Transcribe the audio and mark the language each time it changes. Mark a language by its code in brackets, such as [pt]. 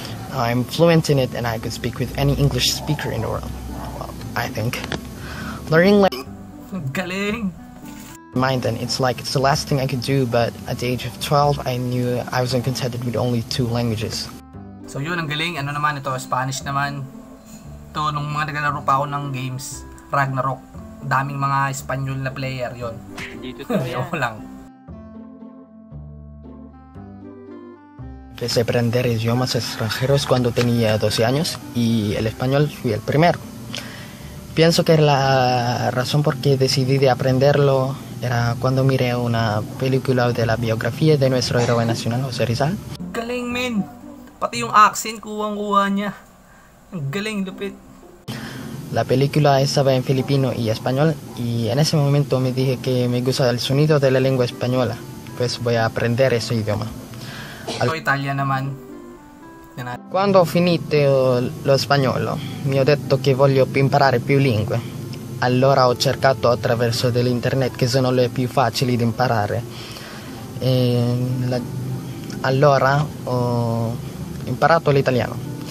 [en] I'm fluent in it and I could speak with any English speaker in the world. Well, I think. Learning language. Mind then, it's the last thing I could do, but at the age of 12, I knew I wasn't contented with only two languages. [tl] So yun, ang galing. Ano naman ito? Spanish naman. Ito, nung mga naglaro pa ako ng games, Ragnarok, daming mga Espanyol na player, yun. Dito to lang. [es] Empecé a aprender idiomas extranjeros cuando tenía 12 años y el español fui el primero. Pienso que la razón por qué decidí de aprenderlo era cuando miré una película de la biografía de nuestro héroe nacional, José Rizal. [tl] Galing, men! Pati yung accent, kuwang-kuwa niya. Galing, lupit. [es] La película estaba en filipino y español y en ese momento me dije que me gusta el sonido de la lengua española, pues voy a aprender ese idioma. [tl] Ito, Italia naman. [it] Quando ho finito lo spagnolo, mi ho detto che voglio imparare più lingue. Allora ho cercato attraverso dell'internet che sono le più facili da imparare. E allora ho imparato l'italiano.